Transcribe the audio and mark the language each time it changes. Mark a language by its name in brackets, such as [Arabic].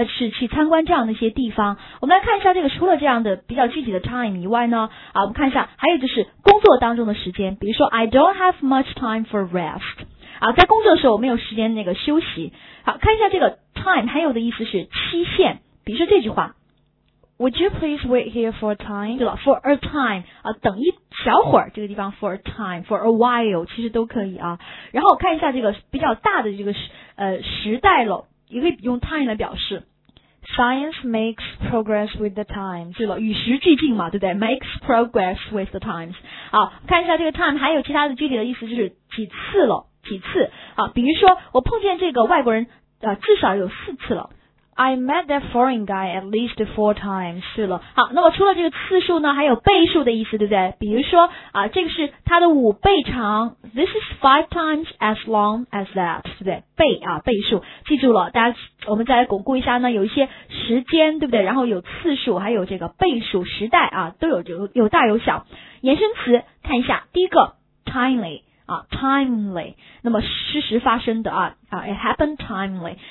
[Chinese] 去参观这样的一些地方。我们来看一下这个，除了这样的比较具体的 time 以外呢，啊，我们看一下，还有就是工作当中的时间，比如说 [English] I don't have much time for rest。 [Chinese] 啊，在工作的时候我没有时间那个休息。好，看一下这个 time， 还有的意思是期限，比如说这句话。 [English] Would you please wait here for a time? [Chinese] 对了 ，for a time 啊，等一小会儿，这个地方 [English] for a time, for a while [Chinese] 其实都可以啊。然后看一下这个比较大的这个时代了，也可以用 time 来表示。 [English] Science makes progress with the times. [Chinese] 对了，与时俱进嘛，对不对 ？ [English] Makes progress with the times. [Chinese] 好，看一下这个 time， 还有其他的具体的意思就是几次了，几次啊？比如说我碰见这个外国人至少有四次了。 [English] I met that foreign guy at least 4 times. [Chinese] 是了，好，那么除了这个次数呢，还有倍数的意思，对不对？比如说啊，这个是他的五倍长。 [English] This is 5 times as long as that. [Chinese] 对不对？倍啊，倍数，记住了，大家我们再来巩固一下呢，有一些时间，对不对？然后有次数，还有这个倍数、时代啊，都有大有小。衍生词看一下，第一个 timely。啊 ，timely， 那么事实发生的啊 ， [English] it happened timely。